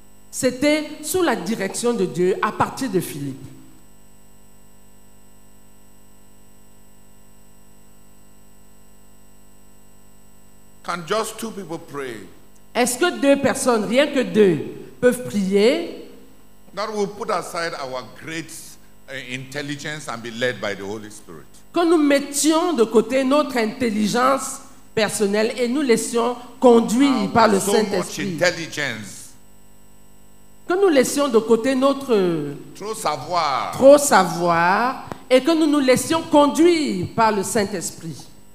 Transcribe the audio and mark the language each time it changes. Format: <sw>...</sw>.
<fr>C'était sous la direction de Dieu à partir de Philippe.</fr> <en>Can just two people pray?</en> <fr>Est-ce que deux personnes, rien que deux, peuvent prier?</fr> <en>That we put aside our great intelligence and be led by the Holy Spirit.</en> <fr>Que nous mettions de côté notre intelligence personnelle et nous laissions conduire par le</fr> <en>so</en> <fr>Saint-Esprit.</fr> <en>Much intelligence.</en> <fr>Que nous laissions de côté notre trop savoir et que nous nous laissions conduire par le Saint-Esprit.</fr>